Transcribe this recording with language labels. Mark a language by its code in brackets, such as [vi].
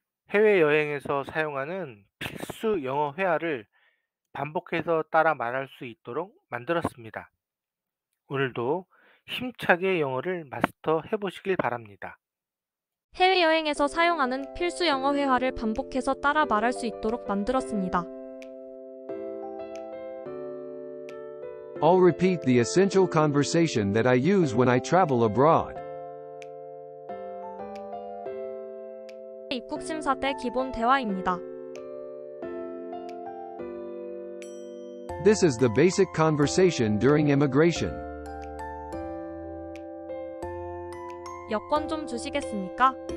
[ko] 해외여행에서 사용하는 필수 영어 회화를 반복해서 따라 말할 수 있도록 만들었습니다. 오늘도 힘차게 영어를 마스터 해보시길 바랍니다. 해외여행에서 사용하는 필수 영어 회화를 반복해서 따라 말할 수 있도록 만들었습니다. [en] I'll repeat the essential conversation that I use when I travel abroad. [ko] 입국 심사 때 기본 대화입니다. [en] This is the basic conversation during immigration. [ko] 여권 좀 주시겠습니까?